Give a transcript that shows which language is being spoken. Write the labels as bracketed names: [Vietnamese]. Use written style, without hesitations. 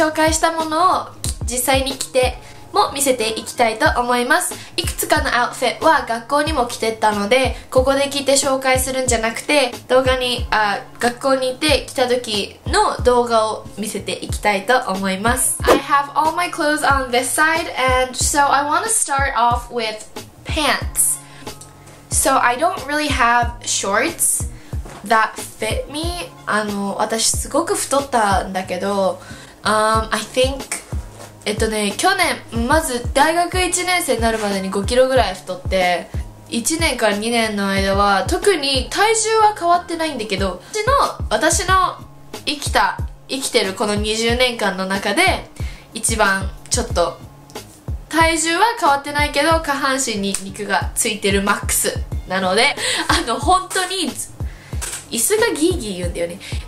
[Japanese] 紹介したものを実際に着ても見せていきたいと思います。いくつかのアウトフィットは学校にも着てったので、ここで着て紹介するんじゃなくて、動画に、学校に行って着た時の動画を見せていきたいと思います。 [English] I have all my clothes on this side, and so I want to start off with pants. So I don't really have shorts that fit me. [Japanese] 私すごく太ったんだけど、 [English] I think... [Japanese] 去年まず大学1年生になるまでに5キロぐらい太って、1年から2年の間は特に体重は変わってないんだけど、私の生きてるこの20年間の中で一番ちょっと体重は変わってないけど、下半身に肉がついてるマックスなので、本当に椅子がギーギー言うんだよね。